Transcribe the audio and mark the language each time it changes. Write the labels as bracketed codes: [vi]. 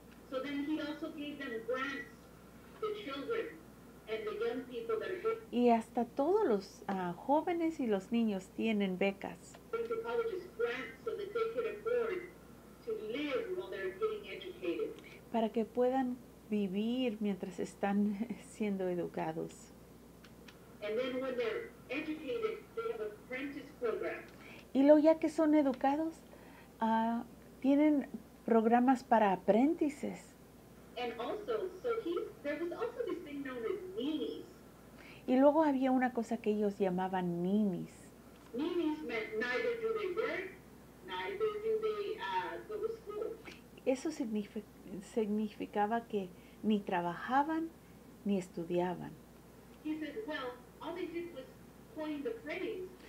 [en] So then he also gave them grants, the children and the young people that are good. [es] Y hasta todos los jóvenes y los niños tienen becas. [en] The colleges grants so that they could afford to live while they're getting educated. [es] Para que puedan vivir mientras están siendo educados. [en] And then when they're educated, they have apprentice programs. [es] Y luego ya que son educados, tienen programas para aprendices. [en] And also, there was also this thing known as ninis. [es] Y luego había una cosa que ellos llamaban ninis. [en] Ninis meant neither do they work, neither do they go to school. [es] Eso significaba que ni trabajaban ni estudiaban. [en] He said, well, all they did was coin the phrase.